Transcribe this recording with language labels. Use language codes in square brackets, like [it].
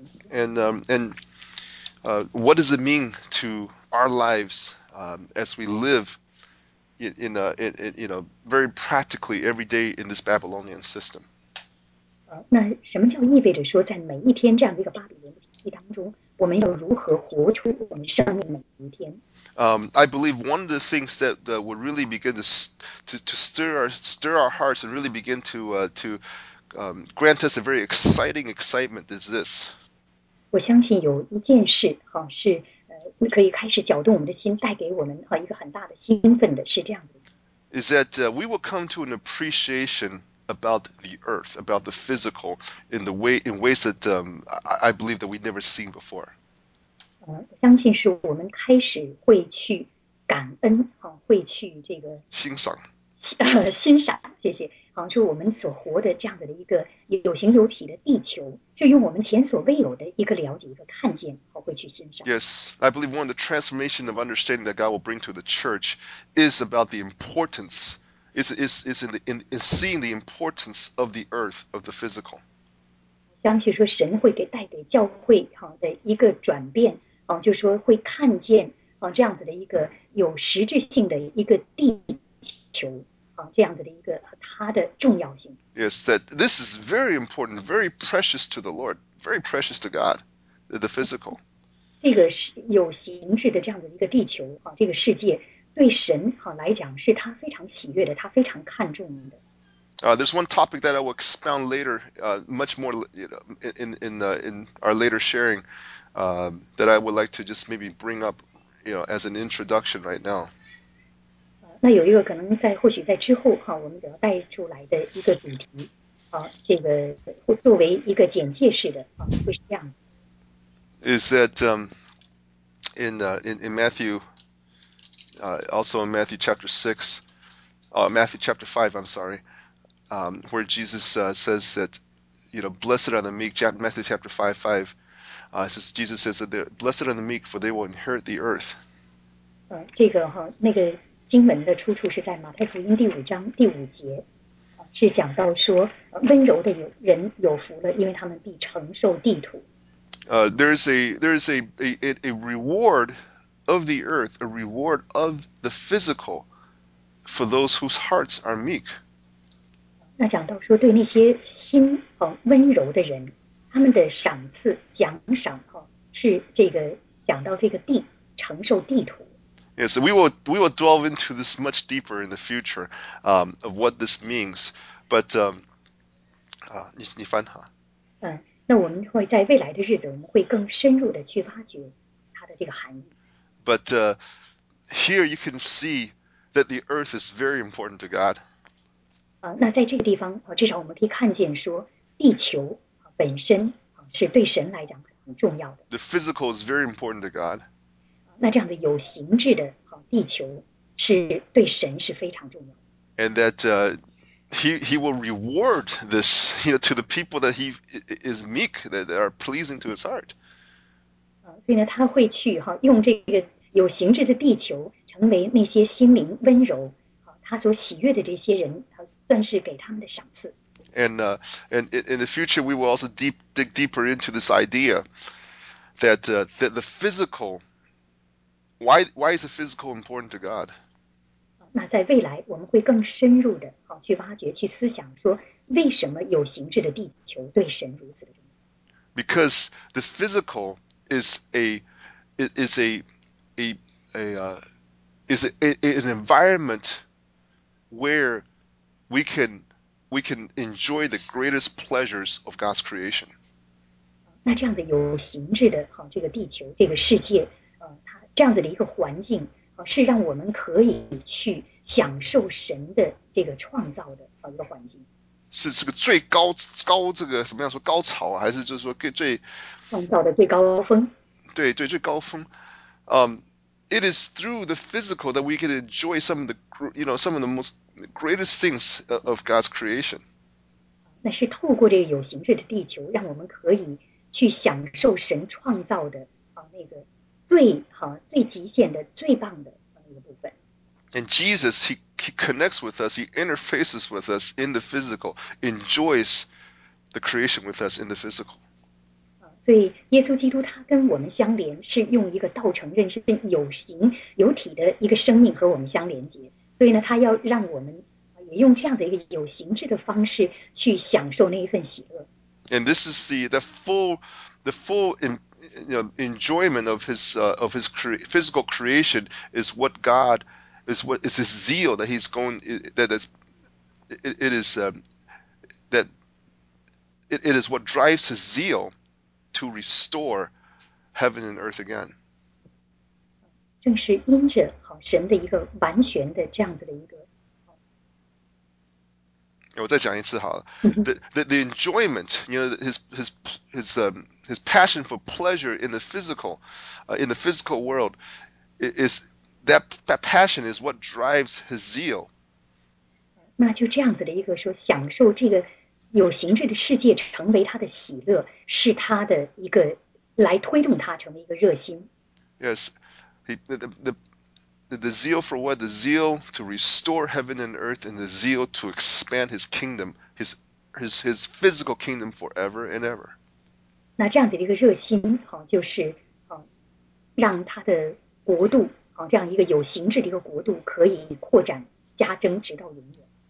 [en] And What does it mean to our lives as we live in very practically every day in this Babylonian system? [zh] 那什么就意味着说，在每一天这样的一个巴比伦体系当中，我们要如何活出我们生命每一天？ [en] I believe one of the things that would really begin to stir our hearts and really begin to grant us a very exciting excitement is this. [zh] 我相信有一件事哈、啊、是可以开始搅动我们的心，带给我们哈、啊、一个很大的兴奋的是这样的。 [en] Is that we will come to an appreciation. About the earth, about the physical, in ways that I believe that we've never seen before. [zh] 我相信是我们开始会去感恩，好，会去这个欣赏，欣赏，谢谢。好，就我们所活的这样子的一个有形有体的地球，就用我们前所未有的一个了解、一个看见，好，会去欣赏。 [en] Yes, I believe one of the transformation of understanding that God will bring to the church is about the importance. Is in seeing the importance of the earth of the physical. [zh] 相信说神会给带给教会哈的一个转变啊，就说会看见啊这样子的一个有实质性的一个地球啊这样子的一个它的重要性。 [en] Yes, that this is very important, very precious to the Lord, very precious to God, the physical. [zh] 这个是有形式的这样子一个地球啊，这个世界。对神好来讲，是他非常喜悦的，他非常看重的。 [en] There's one topic that I will expound later, much more, in our later sharing, that I would like to just maybe bring up, as an introduction right now. [zh] 那有一个可能在或许在之后哈，我们要带出来的一个主题，啊，这个作为一个简介式的啊，会是这样。 [en] Is that in Matthew? Also in Matthew chapter 6, Matthew chapter 5, I'm sorry, where Jesus says that, blessed are the meek, Matthew chapter 5:5, says, Jesus says that they're blessed are the meek, for they will inherit the earth. [zh] 这个哈，那个经文的出处是在马太福音第五章第五节，是讲到说温柔的人有福了，因为他们必承受地土。 [en] There is a reward. Of the earth, a reward of the physical, for those whose hearts are meek. [zh] 那讲到说对那些心哦温柔的人，他们的赏赐奖赏哦是这个讲到这个地承受地土。 [en] Yes, we will delve into this much deeper in the future, of what this means. But [zh] 你翻哈。那我们会在未来的日子，我们会更深入的去挖掘它的这个含义。 [en] But here you can see that the earth is very important to God. [zh] 那在这个地方，至少我们可以看见说，地球本身是对神来讲很重要的。 [en] The physical is very important to God. [zh] 那这样的有形质的地球是对神是非常重要的。 [en] And that he will reward this, to the people that he is meek, that are pleasing to his heart. [zh] 所以呢，他会去哈，用这个有形质的地球，成为那些心灵温柔，他所喜悦的这些人，算是给他们的赏赐。 [en] And in the future, we will also dig deeper into this idea that that the physical. Why is the physical important to God? [zh] 那在未来，我们会更深入的哈去挖掘、去思想，说为什么有形质的地球对神如此的重要 [en] ？Because the physical. Is an environment where we can enjoy the greatest pleasures of God's creation. [zh] 那这样的有形质的哈，这个地球，这个世界，它这样子的一个环境，是让我们可以去享受神的这个创造的一个环境。是个最高高这个怎么样说高潮，还是就是说最创造的最高峰？对，最高峰。 [en] It is through the physical that we can enjoy some of the greatest things of God's creation. [zh] 那是透过这个有形质的地球，让我们可以去享受神创造的那个最好、最极限的、最棒的那个部分。 [en] And Jesus, he connects with us, he interfaces with us in the physical, enjoys the creation with us in the physical. [zh] 所以耶稣基督他跟我们相连，是用一个道成肉身有形有体的一个生命和我们相连接。所以呢，他要让我们也用这样的一个有形质的方式去享受那一份喜乐。 [en] And this is the full enjoyment of his physical creation is what God is, what is his zeal that he's going, that is what drives his zeal to restore heaven and earth again. [zh] 正是因着神的一个完全的这样子的一个。我再讲一次好了。 [en] The enjoyment, you know, his passion for pleasure in the physical, in the physical world, is that passion is what drives his zeal. [zh] 那就这样子的一个说，享受这个有形质的世界成为他的喜乐，是他的一个来推动他成为一个热心。 [en] Yes, the zeal for what? The zeal to restore heaven and earth, and the zeal to expand his kingdom, his physical kingdom forever and ever. [zh] 那这样子的一个热心，就是让他的国度，这样一个有形质的一个国度可以扩展加增，直到永远。